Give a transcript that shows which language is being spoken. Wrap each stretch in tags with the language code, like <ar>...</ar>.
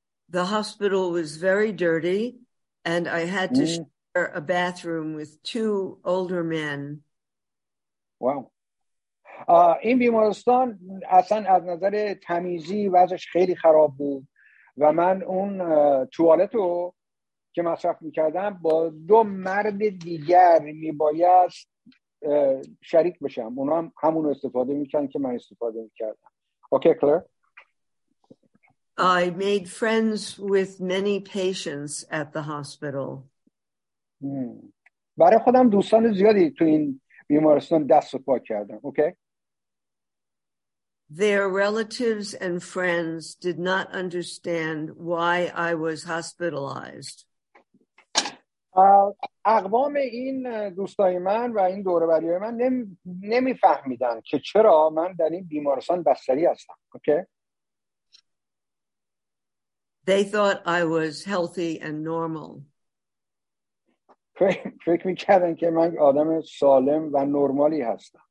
<en>The hospital was very dirty and I had to share a bathroom with two older men. Wow.</en> <fa>این بیمارستان اصلا از نظر تمیزی وضعش خیلی خراب بود و من اون توالتو که مصرف میکردم با دو مرد دیگر میبایست شریک بشم، اونا هم همونو استفاده میکردن که من استفاده میکردم.</fa> <en>Okay کلر. I made friends with many patients at the hospital.</en> <fa>برای خودم دوستان زیادی تو این بیمارستان دست و پا کردم.</fa> <en>Okay. Their relatives and friends did not understand why I was hospitalized.</en> <fa>اقوام این دوستای من و این دوروبریای من نمیفهمیدن که چرا من در این بیمارستان بستری هستم.</fa> <en>Okay. They thought I was healthy and normal.</en> <fa>فکر میکردن که من آدم سالم و نرمالی هستم.</fa>